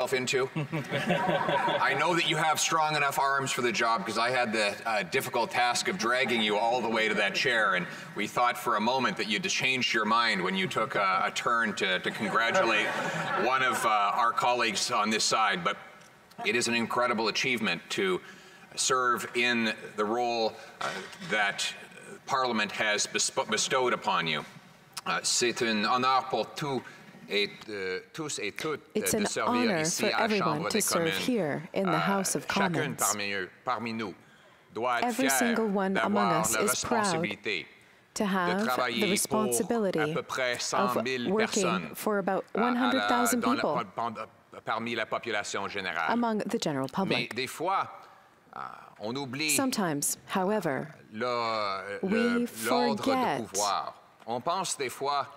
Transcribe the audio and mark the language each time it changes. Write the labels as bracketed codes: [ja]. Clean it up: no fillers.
[en] Are you sure you know what you got yourself into? I know that you have strong enough arms for the job because I had the difficult task of dragging you all the way to that chair, and we thought for a moment that you'd changed your mind when you took a turn to congratulate one of our colleagues on this side. But it is an incredible achievement to serve in the role that Parliament has bestowed upon you. [fr] C'est un honneur pour tous et tous et toutes de servir ici à la Chambre des communes. [en] To serve here in the House of Commons. [fr] Chacun parmi nous doit être fier d'avoir la responsabilité. [en] To have the responsibility of working for about 100,000 people [fr] parmi la population générale. [en] Among the general public. [fr] Mais des fois, on oublie [en] sometimes, however, we forget [fr] l'ordre de pouvoir. On pense des fois